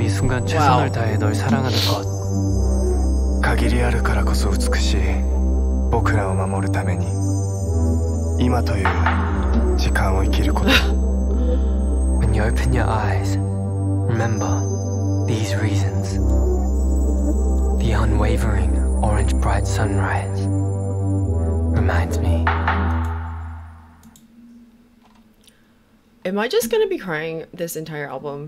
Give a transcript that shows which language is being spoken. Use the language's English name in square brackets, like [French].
[Korean] 지금 이 순간 최선을 다해 널 사랑하는 것. [Japanese] 限り あるからこそ美しい僕らを守るために今という時間を生きること. [English] When you open your eyes, remember. These reasons, the unwavering orange bright sunrise reminds me. Am I just gonna be crying this entire album?